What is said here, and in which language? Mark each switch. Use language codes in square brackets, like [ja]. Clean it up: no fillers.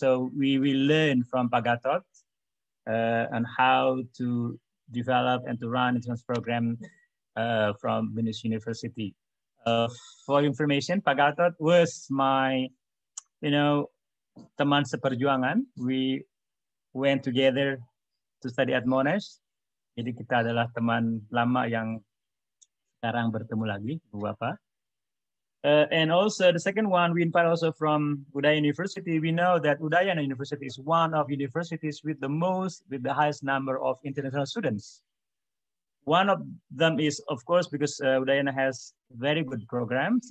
[en] So we will learn from Pak Gatot on how to develop and to run international program from BINUS University. For information, Pak Gatot was my, you know, [id] teman seperjuangan. [en] We went together to study at Monash. [id] Jadi kita adalah teman lama yang sekarang bertemu lagi, Bu Bapak. [en] And also the second one, we invite also from Udayana University. We know that Udayana University is one of universities with the most, with the highest number of international students. One of them is, of course, because Udayana has very good programs.